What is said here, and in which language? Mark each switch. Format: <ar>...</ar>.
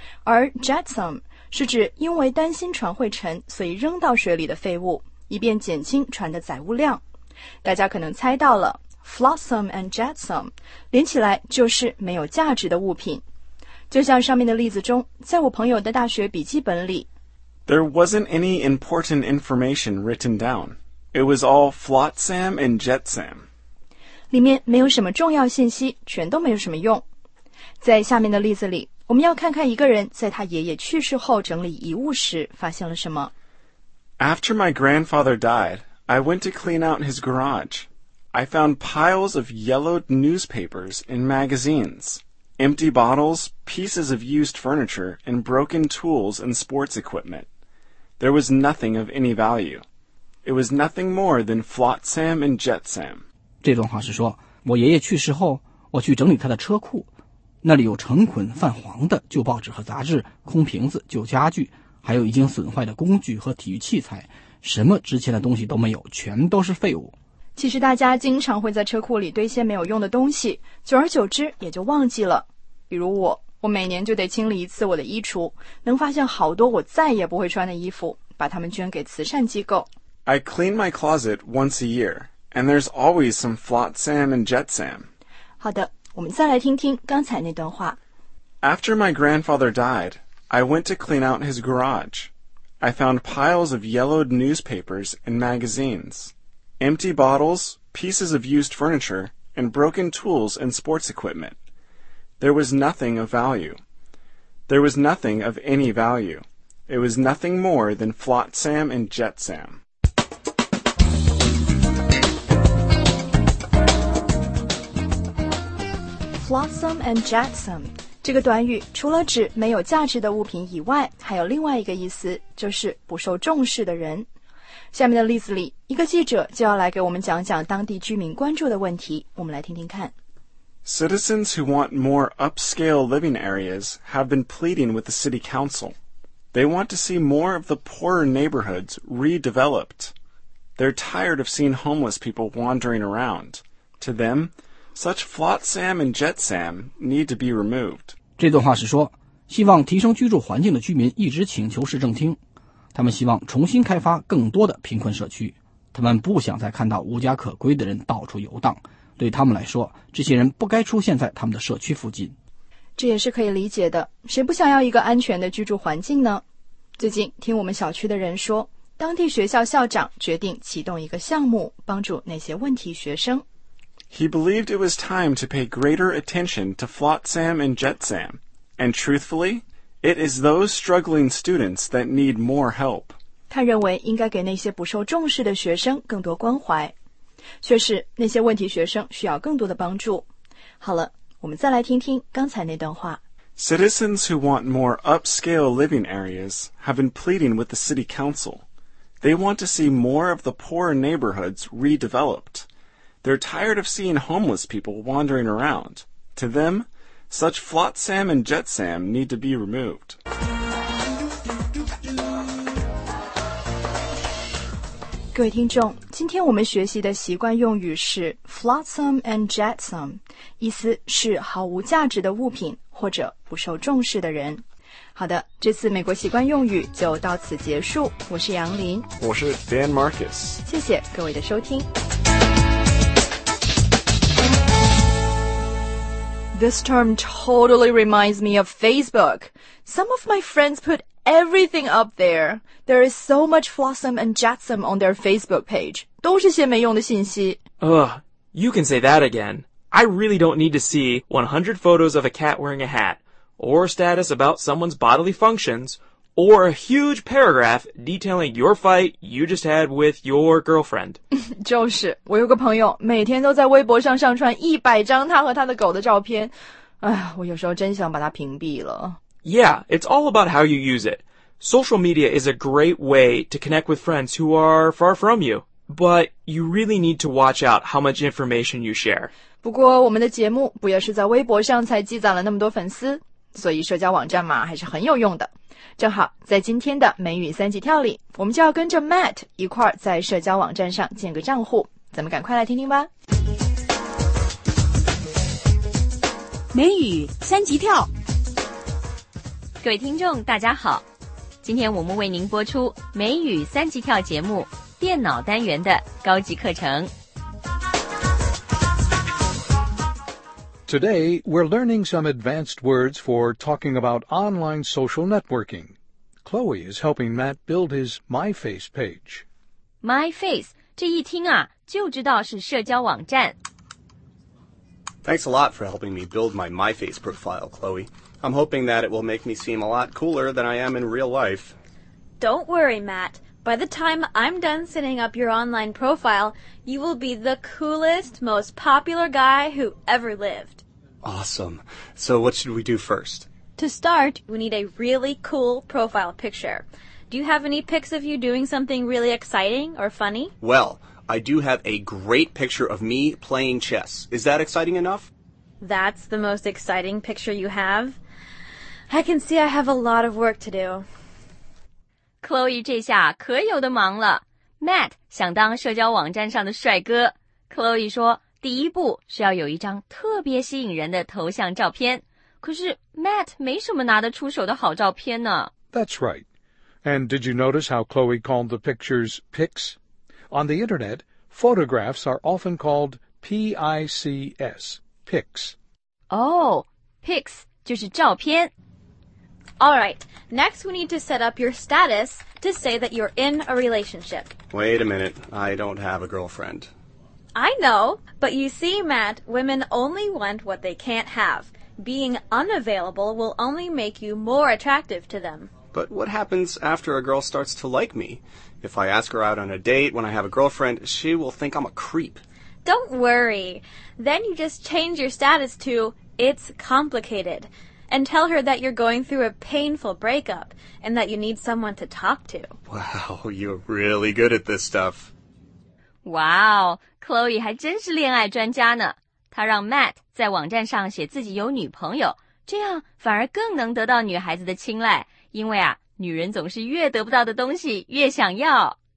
<zh>而 Jetsam 是指因为担心船会沉所以扔到水里的废物，以便减轻船的载物量。大家可能猜到了。Flotsam and jetsam 连起来就是没有价值的物品，就像上面的例子中，在我朋友的大学笔记本里</zh> <en>There wasn't any important information written down. It was all flotsam and jetsam.</en> <zh>里面没有什么重要信息，全都没有什么用。在下面的例子里，我们要看看一个人在他爷爷去世后整理遗物时发现了什么。</zh> <en>After my grandfather died, I went to clean out his garage. I found piles of yellowed newspapers and magazines, empty bottles, pieces of used furniture, and broken tools and sports equipment. There was nothing of any value. It was nothing more than flotsam and jetsam.</en> <zh>这段话是说，我爷爷去世后，我去整理他的车库，那里有成捆泛黄的旧报纸和杂志，空瓶子，旧家具，还有已经损坏的工具和体育器材，什么值钱的东西都没有，全都是废物。其实大家经常会在车库里堆些没有用的东西，久而久之也就忘记了。比如我，我每年就得清理一次我的衣橱，能发现好多我再也不会穿的衣服，把它们捐给慈善机构。</zh> <en>I clean my closet once a year, and there's always some flotsam and jetsam.</en> <zh>好的，我们再来听听刚才那段话。</zh> <en>After my grandfather died, I went to clean out his garage. I found piles of yellowed newspapers and magazines, empty bottles, pieces of used furniture, and broken tools and sports equipment. There was nothing of value. There was nothing of any value. It was nothing more than flotsam and jetsam. Flotsam and jetsam.</en> <zh>这个短语除了指没有价值的物品以外，还有另外一个意思，就是不受重视的人。下面的例子里，一个记者就要来给我们讲讲当地居民关注的问题，我们来听听看。</zh> <en>Citizens who want more upscale living areas have been pleading with the city council. They want to see more of the poorer neighborhoods redeveloped. They're tired of seeing homeless people wandering around. To them,Such flotsam and jetsam need to be removed.</en> <zh>这段话是说，希望提升居住环境的居民一直请求市政厅，他们希望重新开发更多的贫困社区。他们不想再看到无家可归的人到处游荡。对他们来说，这些人不该出现在他们的社区附近。这也是可以理解的，谁不想要一个安全的居住环境呢？最近听我们小区的人说，当地学校校长决定启动一个项目，帮助那些问题学生。</zh> <en>He believed it was time to pay greater attention to flotsam and jetsam. And truthfully, it is those struggling students that need more help.</en> <zh>他认为应该给那些不受重视的学生更多关怀。确实，那些问题学生需要更多的帮助。好了，我们再来听听刚才那段话。</zh> <en>Citizens who want more upscale living areas have been pleading with the city council. They want to see more of the poorer neighborhoods redeveloped. They're tired of seeing homeless people wandering around. To them, such flotsam and jetsam need to be removed.</en> <zh>各位听众，今天我们学习的习惯用语是 flotsam and jetsam, 意思是毫无价值的物品或者不受重视的人。好的，这次美国习惯用语就到此结束。我是杨林。我是 Dan Marcus。谢谢各位的收听。</zh> <en>This term totally reminds me of Facebook. Some of my friends put everything up there. There is so much flotsam and jetsam on their Facebook page.</en> <zh>都是些没用的信息。</zh> <en>Ugh, you can say that again. I really don't need to see 100 photos of a cat wearing a hat, or status about someone's bodily functions, or a huge paragraph detailing your fight you just had with your girlfriend.</en> <zh>就是，我有个朋友每天都在微博上上传100张他和他的狗的照片。唉，我有时候真想把他屏蔽了。</zh> <en>Yeah, it's all about how you use it. Social media is a great way to connect with friends who are far from you. But you really need to watch out how much information you share.</en> <zh>不过我们的节目不也是在微博上才积攒了那么多粉丝？所以社交网站嘛，还是很有用的。正好在今天的美语三级跳里，我们就要跟着 Matt 一块儿在社交网站上建个账户，咱们赶快来听听吧。美语三级跳，各位听众大家好，今天我们为您播出美语三级跳节目电脑单元的高级课程。</zh> <en>Today, we're learning some advanced words for talking about online social networking. Chloe is helping Matt build his MyFace page.</en> <zh>MyFace, 这一听啊，就知道是社交网站。</zh> <en>Thanks a lot for helping me build my MyFace profile, Chloe. I'm hoping that it will make me seem a lot cooler than I am in real life. Don't worry, Matt. By the time I'm done setting up your online profile, you will be the coolest, most popular guy who ever lived. Awesome. So what should we do first? To start, we need a really cool profile picture. Do you have any pics of you doing something really exciting or funny? Well, I do have a great picture of me playing chess. Is that exciting enough? That's the most exciting picture you have? I can see I have a lot of work to do.</en> <zh>Chloe 这下可有的忙了。Matt 想当社交网站上的帅哥。 Chloe 说第一步是要有一张特别吸引人的头像照片。可是 Matt 没什么拿得出手的好照片呢。</zh> <en>That's right. And did you notice how Chloe called the pictures pics? On the internet, photographs are often called P-I-C-S, pics. Oh, pics</en> <zh>就是照片。</zh> <en>All right, next we need to set up your status to say that you're in a relationship. Wait a minute, I don't have a girlfriend. I know, but you see, Matt, women only want what they can't have. Being unavailable will only make you more attractive to them. But what happens after a girl starts to like me? If I ask her out on a date when I have a girlfriend, she will think I'm a creep. Don't worry. Then you just change your status to, it's complicated. And tell her that you're going through a painful breakup and that you need someone to talk to. Wow, you're really good at this stuff.</en> <zh>Wow, Chloe 还真是恋爱专家呢。她让 Matt 在网站上写自己有女朋友，这样反而更能得到女孩子的青睐，因为啊，女人总是越得不到的东西越想要。</zh>